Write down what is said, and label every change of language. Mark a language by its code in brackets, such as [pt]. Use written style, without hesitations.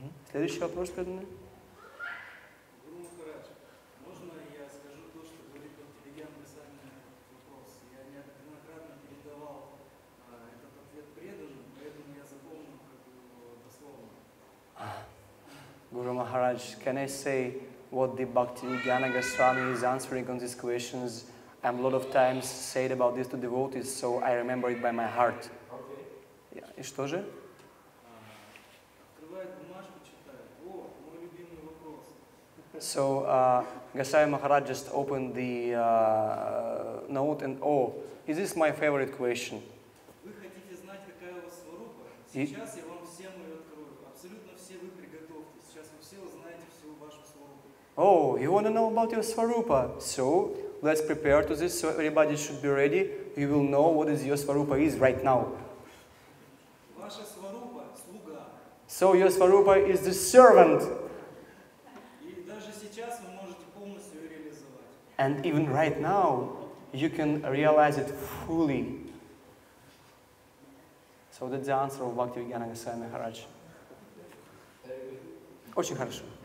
[ru] Следующий вопрос, преданный. Гуру Махарадж, можно я скажу то, что говорит интеллигентный сами вопрос? Я неоднократно передавал этот ответ преданным, поэтому я запомнил как дословно. [en] Гуру Махарадж, can I say what the Bhaktivedanta Goswami is answering on these questions, and a lot of times said about this to devotees, so I remember it by my heart. Okay. [ru] Yeah. И что же? Открывает бумажку, читает. О, мой любимый вопрос. [en] So, Goswami Maharaj just opened the note and, oh, is this my favorite question? [ru] Вы хотите знать, какая у вас сварупа? Сейчас я вам всем ее открою. Абсолютно все вы приготовьтесь. Сейчас вы все узнаете всю вашу сварупу. [en] Oh, you want to know about your Swarupa? So, let's prepare to this so everybody should be ready. You will know what is your Swarupa is right now. [ru] Ваша Swarupa – слуга. [en] So, your Swarupa is the servant. [ru] И даже сейчас вы можете полностью ее реализовать. [en] And even right now, you can realize it fully. So, that's the answer of Bhaktivedanta Goswami Maharaj. [ru] Очень хорошо.